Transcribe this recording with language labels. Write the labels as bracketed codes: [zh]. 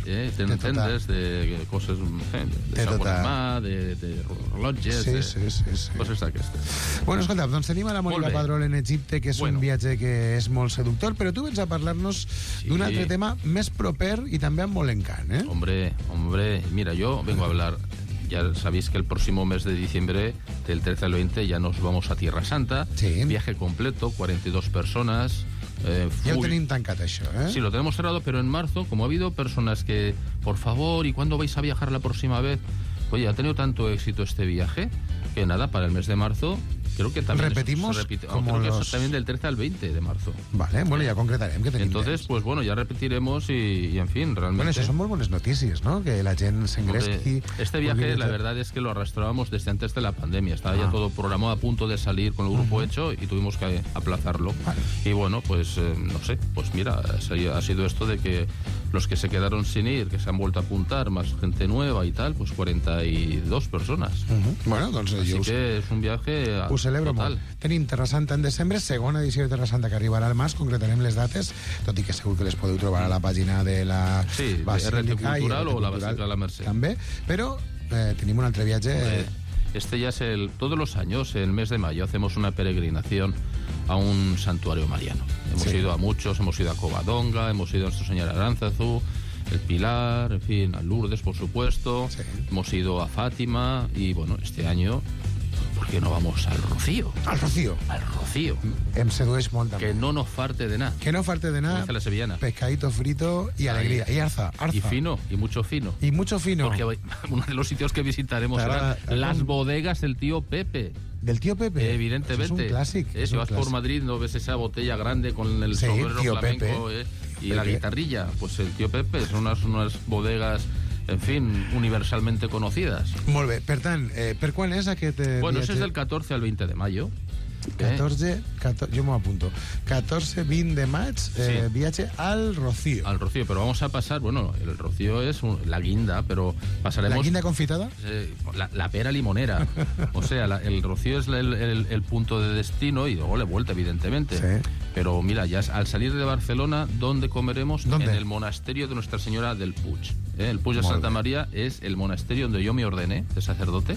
[ca] tenen tendes de coses de sabor tota... mà, de rellotges... Sí, sí, sí, sí. Coses d'aquestes. Bueno, escolta, doncs tenim a la Mònica Padrol en Egipte, que és un viatge que és molt seductor, però tu vens a parlar-nos d'un altre tema més proper i també amb molt encant, eh? [es] Hombre, mira, [ca] jo [es] vengo a hablar... Ya sabéis que el próximo mes de diciembre, del 13 al 20, ya nos vamos a Tierra Santa. Sí. Viaje completo, 42 personas. Ya lo tenéis [ca] tancat, això, [es] ¿eh? Sí, lo tenemos cerrado, pero en marzo, como ha habido personas que, por favor, ¿y cuándo vais a viajar la próxima vez? Oye, ha tenido tanto éxito este viaje, que nada, para el mes de marzo, creo que también... ¿Repetimos? Que también del 13 al 20 de marzo. Vale, bueno, ya concretaremos que tenemos. Entonces, pues bueno, ya repetiremos y en fin, realmente... Bueno, eso son muy buenas noticias, ¿no? Que la gente se ingresa aquí... Este viaje, la verdad, es que lo arrastrábamos desde antes de la pandemia. Estaba ya todo programado a punto de salir con el grupo hecho y tuvimos que aplazarlo. Vale. Y bueno, pues no sé, pues mira, ha sido esto de que... Los que se quedaron sin ir, que se han vuelto a apuntar, más gente nueva y tal, pues 42 personas. [ca] Uh-huh. Bueno, doncs... [es] Así [ca] us... [es] que es un viaje total. [ca] Us celebro molt. Tenim Terra Santa en desembre, segona edició de Terra Santa que arribarà al mas, concretarem les dates, tot i que segur que les podeu trobar a la pàgina de la... Sí, Basílica, de RT Cultural o la Basílica de la Mercè. També, però tenim un altre viatge... [es] Este ya es el... Todos los años, el mes de mayo, hacemos una peregrinación a un santuario mariano. Hemos ido a muchos, hemos ido a Covadonga, hemos ido a Nuestra Señora Aránzazu, el Pilar, en fin, a Lourdes, por supuesto. Sí. Hemos ido a Fátima y, bueno, este año, ¿por qué no vamos al Rocío? ¿Al Rocío? Al Rocío. [ca] Em sedueix molt, també. [es] Que no nos farte de nada. Que no farte de nada. Dice la sevillana. Pescadito frito y alegría. Ahí. Y arza. Y fino, y mucho fino. Y mucho fino. Porque uno de los sitios que visitaremos será las bodegas del tío Pepe. ¿Del tío Pepe? Evidentemente. Eso es un clásico. Si vas por Madrid, no ves esa botella grande con el sombrero tío flamenco Pepe. Y la guitarrilla. Pues el tío Pepe, son unas bodegas, en fin, universalmente conocidas. [ca] Molt bé. Per tant, per quan és aquest viatge? [es] Bueno, ese es del 14 al 20 de mayo. [ca] 14, jo m'ho apunto. 14, 20 de maig, viatge al Rocío. Al Rocío, però [es] vamos [ca] a passar... Bueno, el Rocío és la guinda, però passarem... [es] ¿La guinda confitada? La pera limonera. O sea, el Rocío es el punto de destino y luego la vuelta, evidentemente. Sí. Pero mira, ya al salir de Barcelona, ¿dónde comeremos? ¿Dónde? En el monasterio de Nuestra Señora del Puig. El Puig de Santa María es el monasterio donde yo me ordené de sacerdote,